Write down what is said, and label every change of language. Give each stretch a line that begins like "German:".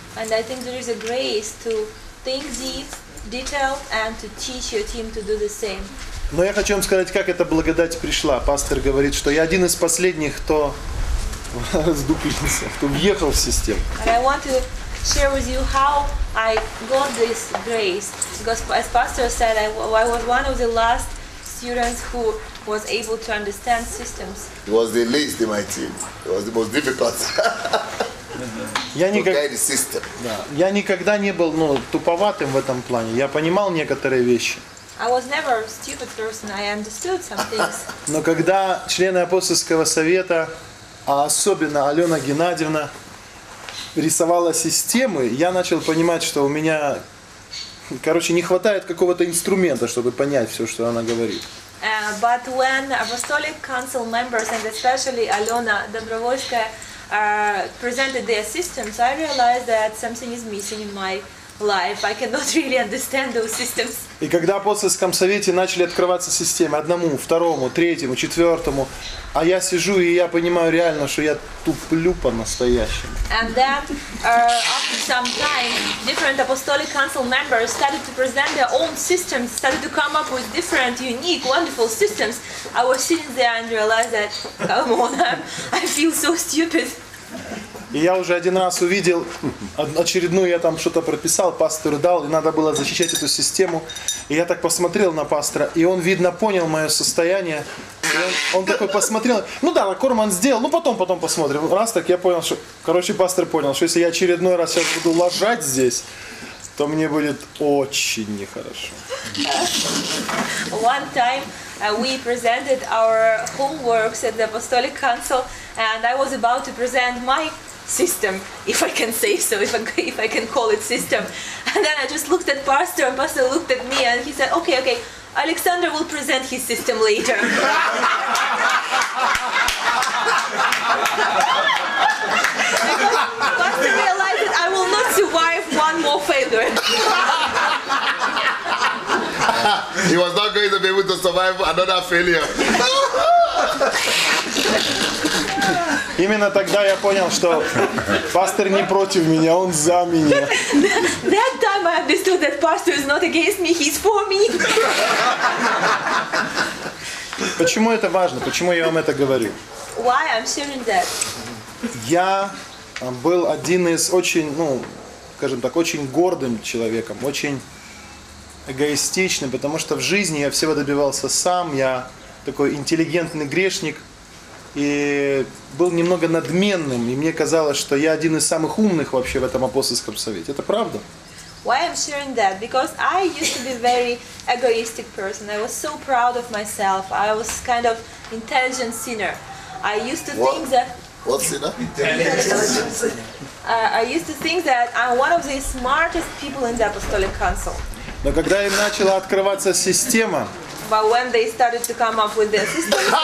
English: And I think there is a grace to think deep, detailed, and to teach your team to do the same.
Russian: Но я хочу вам сказать, как эта благодать пришла. Пастор говорит, что я один из последних, кто раздуплился, кто въехал в систему.
English: And I want to share with you how I got this grace. Because as pastor said, I was one of the last students who was able to understand systems. It was the least in my team. It was the most difficult.
Russian: Я никогда не был, ну, туповатым в этом плане. Я понимал некоторые вещи.
English: I was never a stupid person. I understood some things.
Russian: Но когда члены апостольского совета, а особенно Алена Геннадьевна, рисовала системы, я начал понимать, что у меня, короче, не хватает какого-то инструмента, чтобы понять все, что она говорит.
English: But when apostolic council members and especially Алена Добровольская presented their systems, I realized that something is missing in my life. I cannot really understand those systems.
Russian: И когда в апостольском совете начали открываться системы одному, второму, третьему, четвертому, а я сижу и я понимаю реально, что я туплю по-настоящему.
English: And then, after some time, different apostolic council members started to present their own systems, started to come up with different, unique, wonderful systems. I was sitting there and realized that, come on, I feel so stupid.
Russian: И я уже один раз увидел очередную, я там что-то прописал, пастору дал, и надо было защищать эту систему. И я так посмотрел на пастора, и он, видно, понял мое состояние, Он такой посмотрел. Ну да, лакор он сделал. Ну потом посмотрим. Раз так я понял, что. Короче, пастор понял, что если я очередной раз сейчас буду лажать здесь, то мне будет очень нехорошо.
English: One time we presented our homeworks at the Apostolic Council, and I was about to present my system, if I can say so, if I can call it system. And then I just looked at Pastor, and Pastor looked at me, and he said, okay, Alexander will present his system later. Pastor realized that I will not survive one more failure. He was not going to be able to survive another failure.
Russian: Именно тогда я понял, что пастор не против меня, он за меня.
English: That time I understood that pastor is not against me, he's for me.
Russian: Почему это важно? Почему я вам это говорю?
English: Why I'm sharing that?
Russian: Я был один из очень, ну, скажем так, очень гордым человеком, очень эгоистичным, потому что в жизни я всего добивался сам, я такой интеллигентный грешник. И был немного надменным, и мне казалось, что я один из самых умных вообще в этом апостольском совете. Это правда?
English: Why I'm sharing that? Because I used to be very egoistic person. I was so proud of myself. I was kind of intelligent sinner. I used to think that. What sinner? Intelligent. I used to think that I'm one of the smartest people in the Apostolic Council.
Russian: Но когда им начала открываться система.
English: But when they started to come up with their system.